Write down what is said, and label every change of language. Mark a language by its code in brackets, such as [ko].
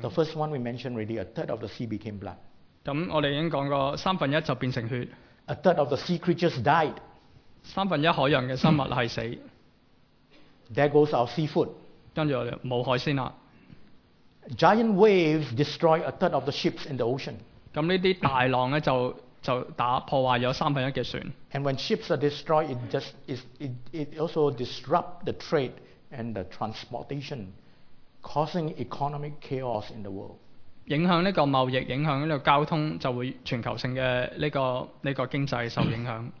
[en] The first one we mentioned already, a third of the sea became blood. [yue] 咁我哋已經講過，三分一就變成血。 [en] A third of the sea creatures died. [yue] 三分一海洋嘅生物係死。 [en] There goes our seafood. [yue] 跟住我哋冇海鮮啦。 [en] Giant waves destroy a third of the ships in the ocean. [yue] 咁呢啲大浪咧就打破壞咗三分一嘅船。 [en] And when ships are destroyed, it also disrupt the trade. And the transportation causing economic chaos in the world. [yue] 影響呢個貿易，影響呢個交通，就會全球性嘅呢個經濟受影響。